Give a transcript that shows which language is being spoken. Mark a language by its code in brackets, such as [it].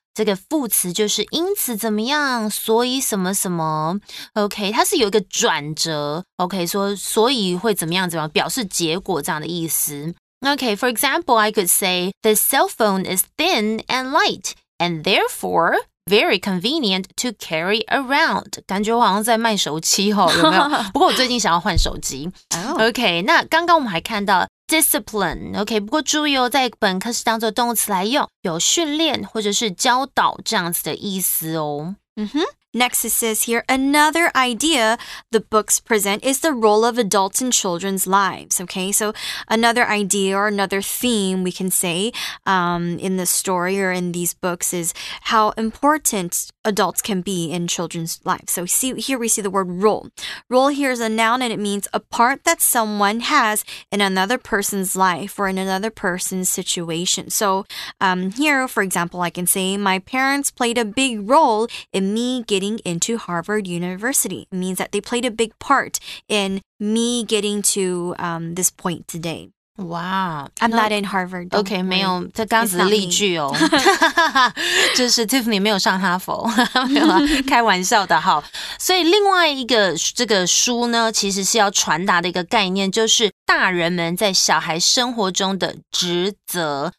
[zh] 这个副词就是因此怎么样，所以什么什么 ，OK， 它是有一个转折 ，OK， 说所以会怎么样怎么样，表示结果这样的意思。 [en] OK， for example， I could say the cell phone is thin and light， and therefore very convenient to carry around。 [zh] 感觉我好像在卖手机哦，有没有？不过我最近想要换手机。 OK， 那刚刚我们还看到。 Discipline, OK, 不过注意哦，在本课是当作动词来用，有训练或者是教导这样子的意思哦。 Mm-hmm. [en] Next it says here, another idea the books present is the role of adults in children's lives, OK? So another idea or another theme we can say in the story or in these books is how important adults can be in children's lives. So here we see the word role. Role here is a noun and it means a part that someone has in another person's life or in another person's situation. So here, for example, I can say my parents played a big role in me getting into Harvard University. It means that they played a big part in me getting to this point today. Wow. I'm not in Harvard. [zh] OK, 没有，这刚子例句哦。就是 Tiffany 没有上哈佛，没有啦，开玩笑的哈。所以另外一个这个书呢，其实是要传达的一个概念，就是大人们在小孩生活中的职责。